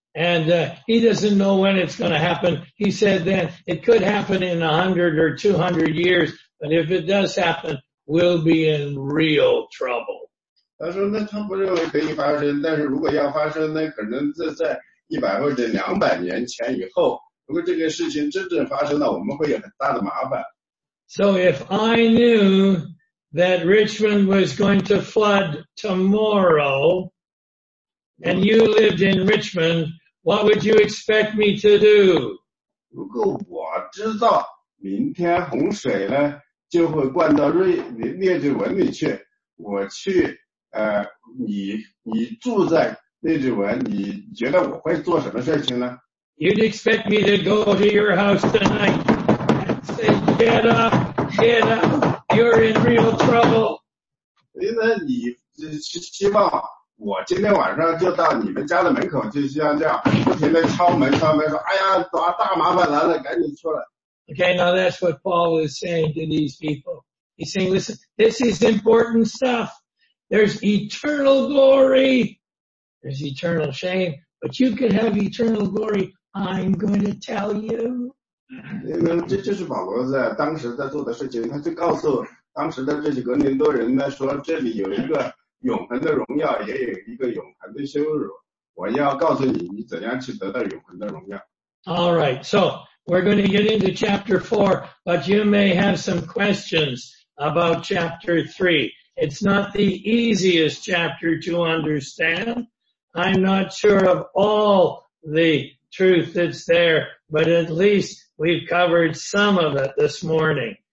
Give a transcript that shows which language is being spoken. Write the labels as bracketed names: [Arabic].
[English] And he doesn't know when it's going to happen. He said then it could happen in 100 or 200 years, but if it does happen, we'll be in real trouble. [Chinese] 他说那他不认为可以发生，但是如果要发生，那可能是在100或者200年前以后。如果这个事情真正发生了，我们会有很大的麻烦。 [English] So if I knew that Richmond was going to flood tomorrow,And you lived in Richmond, what would you expect me to do? [Chinese] 如果我知道明天洪水呢就会灌到列治文里去，我去你住在列治文，你觉得我会做什么事情呢？ [English] You'd expect me to go to your house tonight and say, get up, get up, you're in real trouble. [Chinese] 所以呢你希望我今天晚上就到你们家的门口，就像这样不停地敲门敲门说，哎呀，大麻烦来了，赶紧出来。 [English] Okay, now that's what Paul is saying to these people. He's saying, listen, this is important stuff. There's eternal glory. There's eternal shame. but you could have eternal glory. I'm going to tell you. [Chinese] 这就是保罗在当时在做的事情，他就告诉当时的这几个林多人呢，说这里有一个永恒的荣耀，也有一个永恒的羞辱。我要告诉你，你怎样去得到永恒的荣耀。 [English] All right, so we're going to get into chapter 4, but you may have some questions about chapter 3. It's not the easiest chapter to understand. I'm not sure of all the truth that's there, but at least we've covered some of it this morning.